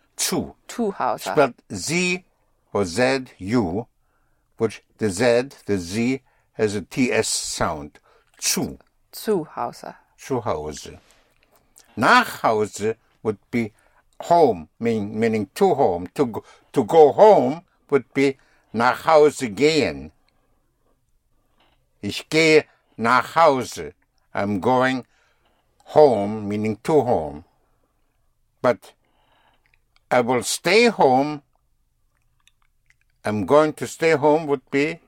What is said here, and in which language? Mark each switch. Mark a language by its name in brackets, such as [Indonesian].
[German] Zu Hause. [English] Spelled Z or Z, U, which the Z has a TS sound. [German] Zu. Zu Hause. Zu Hause. Nach Hause [English] would be home, meaning to home. To go home would be [German] nach Hause gehen. Ich gehe nach Hause. [English] I'm going home, meaning to home. But I will stay home. I'm going to stay home would be